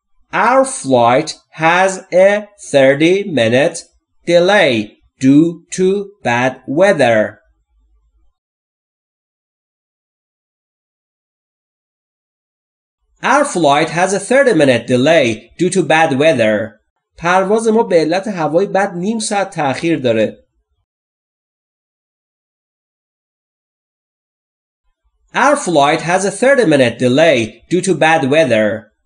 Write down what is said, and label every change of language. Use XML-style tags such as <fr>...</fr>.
<en>Our flight has a 30-minute delay due to bad weather. Our flight has a 30-minute delay due to bad weather.</en> <fa>پرواز ما به علت هوای بد نیم ساعت تأخیر داره.</fa> <en>Our flight has a 30-minute delay due to bad weather.</en>